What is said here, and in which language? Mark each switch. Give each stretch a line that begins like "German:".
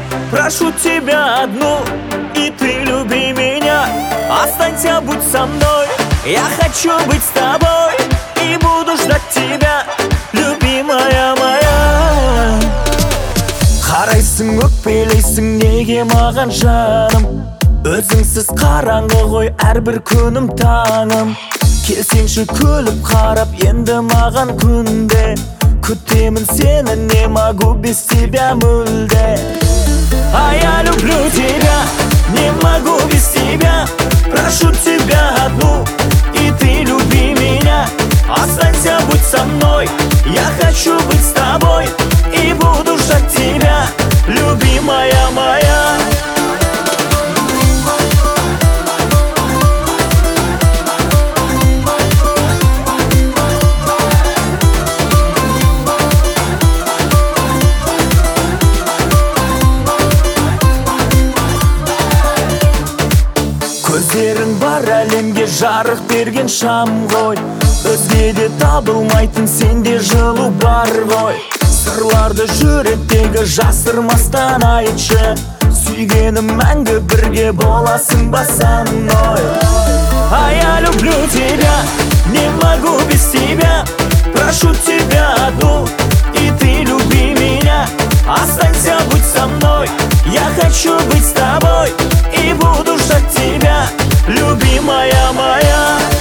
Russian: прошу тебя одну, и ты люби меня, останься, будь со мной. Я хочу быть с тобой и буду ждать тебя, любимая моя.
Kazakh: Қарайсың, өкпелейсің, неге маған жаным? Өзіңсіз қараңғы ғой, әрбір күнім таңым. Келсеңші күліп қарап, енді маған күнде. Күтемін сені,
Russian: не могу без тебя
Kazakh: мүлде.
Russian: А я люблю тебя, не могу без тебя. Прошу тебя одну, и ты люби меня. Останься, будь со мной, я хочу быть с тобой. И буду ждать тебя, любимая моя.
Kazakh: Өздерің бар әлемге жарық берген шам ғой. Өзгеде табылмайтын сенде жылу бар ғой. Сырларды жүректегі жасырмастан айтшы. Сүйгенім мәңгі бірге боласың басан ой.
Russian: А я люблю тебя, не могу без тебя. Прошу тебя одну, и ты люби меня. Останься, будь со мной, я хочу быть с тобой. И буду ждать тебя, любимая моя.